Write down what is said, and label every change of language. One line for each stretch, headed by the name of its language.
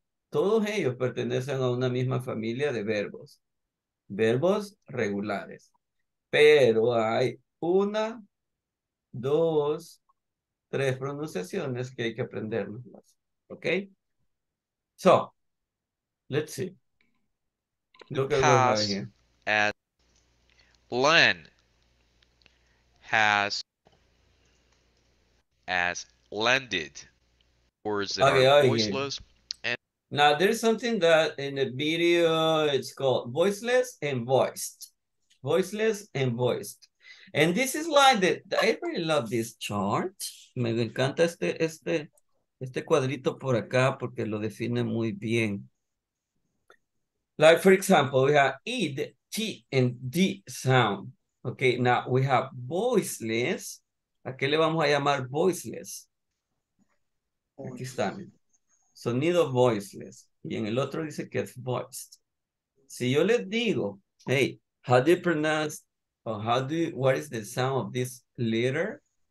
Spanish: Todos ellos pertenecen a una misma familia de verbos. Verbos regulares. Pero hay una, dos, tres pronunciaciones que hay que aprendernos más, ¿ok?
English: So, let's see. Has as Len has as landed words that okay, are okay. Voiceless and now there's something that in the video it's called voiceless and voiced. Voiceless and voiced. And this is like the I really love this chart.
Spanish: Me encanta este cuadrito por acá porque lo define muy bien.
English: Like, for example, we have E, the T, and D sound. Okay, now we have voiceless
Spanish: ¿A qué le vamos a llamar voiceless? Aquí está. Sonido voiceless. Y en el otro dice que es voiced. Si yo les digo,
English: hey, how do you pronounce, or how do you, what is the sound of this letter?